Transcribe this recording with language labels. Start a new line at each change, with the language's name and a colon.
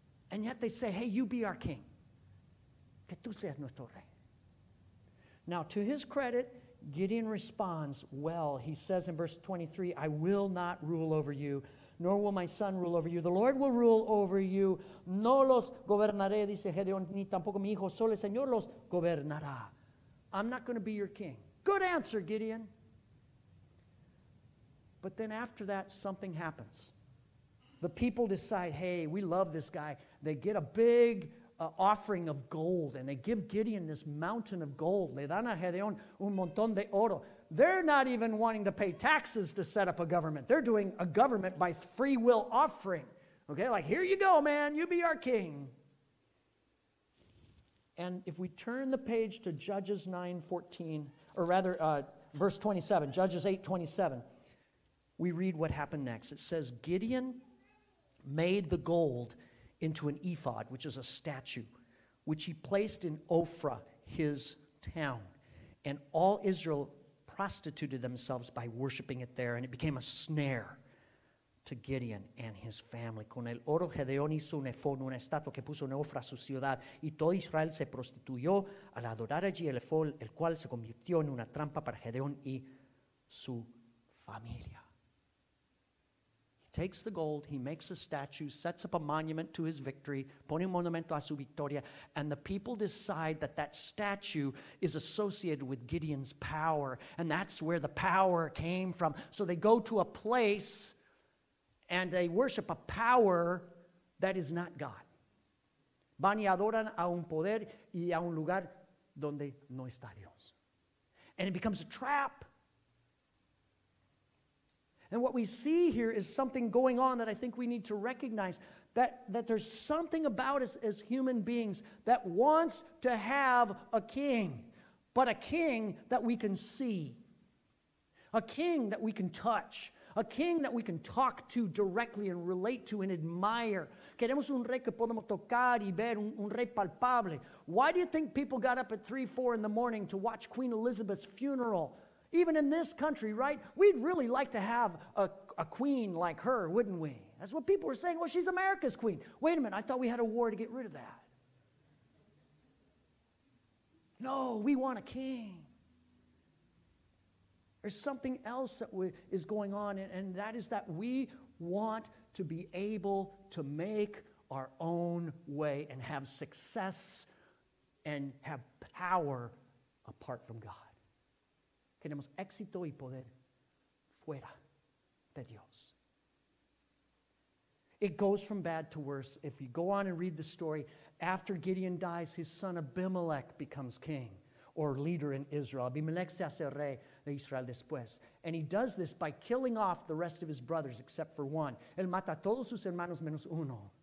English: And yet they say, hey, you be our king.
Spanish: Que tú seas nuestro rey.
English: Now, to his credit, Gideon responds well. He says in verse 23, I will not rule over you, nor will my son rule over you. The Lord will rule over you.
Spanish: No los gobernaré, dice Gedeón, ni tampoco mi hijo. Solo el Señor los gobernará.
English: I'm not going to be your king. Good answer, Gideon. But then after that, something happens. The people decide, hey, we love this guy. They get a big offering of gold, and they give Gideon this mountain of gold.
Spanish: Le dan a Gedeón un montón de oro.
English: They're not even wanting to pay taxes to set up a government. They're doing a government by free will offering. Okay, like, here you go, man. You be our king. And if we turn the page to Judges 9:14, or rather verse 27, Judges 8:27, we read what happened next. It says, Gideon made the gold into an ephod, which is a statue, which he placed in Ophrah, his town. And all Israel prostituted themselves by worshiping it there, and it became a snare to Gideon and his family.
Spanish: Con el oro, Gedeón hizo un ephod, una estatua que puso en Ophrah, su ciudad, y todo Israel se prostituyó al adorar allí el ephod, el cual se convirtió en una trampa para Gedeón y su familia.
English: takes the gold, he makes a statue, sets up a monument to his victory,
Spanish: pone un monumento a su victoria,
English: and the people decide that that statue is associated with Gideon's power, and that's where the power came from. So they go to a place, and they worship a power that is not God.
Spanish: Van y adoran a un poder y a un lugar donde no está Dios.
English: And it becomes a trap. And what we see here is something going on that I think we need to recognize, that there's something about us as human beings that wants to have a king, but a king that we can see, a king that we can touch, a king that we can talk to directly and relate to and admire.
Spanish: Queremos un rey que podamos tocar y ver, un rey palpable.
English: Why do you think people got up at 3, 4 in the morning to watch Queen Elizabeth's funeral? Even in this country, right? We'd really like to have a queen like her, wouldn't we? That's what people were saying. Well, she's America's queen. Wait a minute, I thought we had a war to get rid of that. No, we want a king. There's something else that is going on, and that is that we want to be able to make our own way and have success and have power apart from God.
Spanish: Queremos éxito y poder fuera de Dios.
English: It goes from bad to worse. If you go on and read the story, after Gideon dies, his son Abimelech becomes king or leader in Israel.
Spanish: Abimelech se hace rey de Israel después.
English: And he does this by killing off the rest of his brothers except for one.
Spanish: Él mata a todos sus hermanos menos uno.